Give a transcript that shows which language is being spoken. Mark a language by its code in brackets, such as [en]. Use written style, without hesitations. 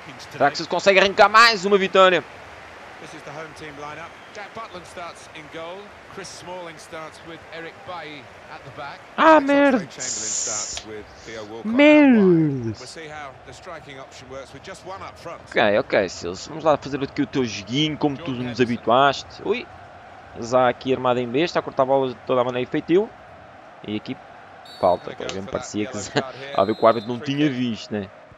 [pt] Será que se consegue arrancar mais uma vitória? [en] This is the home team lineup. Jack Butland starts in goal. Chris Smalling starts with Eric Bailly at the back. [fr] Ah, merde. [en] Chamberlain starts with Theo Walcott. [fr] Merde. [en] We'll see how the striking option works with just one up front. [pt] Ok, ok, Silvio. Vamos lá fazer aqui o teu joguinho como tu nos habituaste. Ui. Zá aqui armado em besta, a cortar bolas de toda a maneira efetiva. E aqui falta. Me parecia que a ver o árbitro não tinha visto, né?